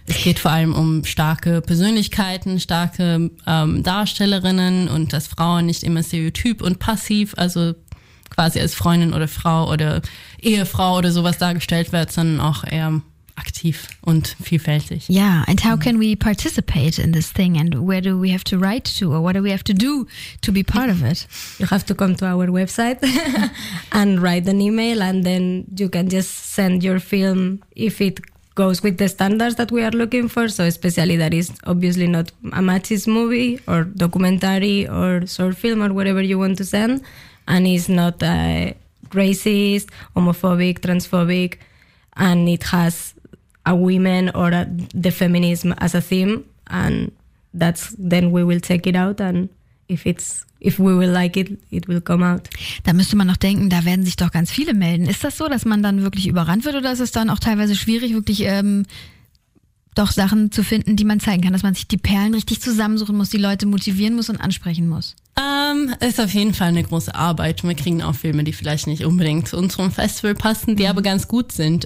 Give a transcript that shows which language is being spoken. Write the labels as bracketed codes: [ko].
[de] Es geht vor allem um starke Persönlichkeiten, starke Darstellerinnen und dass Frauen nicht immer stereotyp und passiv, also quasi als Freundin oder Frau oder Ehefrau oder sowas dargestellt wird, sondern auch eher aktiv und vielfältig. [en] Ja, yeah, and how can we participate in this thing and where do we have to write to or what do we have to do to be part of it? You have to come to our website and write an email and then you can just send your film if it goes with the standards that we are looking for. So especially that is obviously not a machist movie or documentary or short film or whatever you want to send and is not racist, homophobic, transphobic and it has a women or the feminism as a theme and that's then we will check it out and if we will like it, it will come out. [de] Da müsste man noch denken, da werden sich doch ganz viele melden. Ist das so, dass man dann wirklich überrannt wird oder ist es dann auch teilweise schwierig, wirklich doch Sachen zu finden, die man zeigen kann, dass man sich die Perlen richtig zusammensuchen muss, die Leute motivieren muss und ansprechen muss? Ist auf jeden Fall eine große Arbeit. Wir kriegen auch Filme, die vielleicht nicht unbedingt zu unserem Festival passen, die aber ganz gut sind.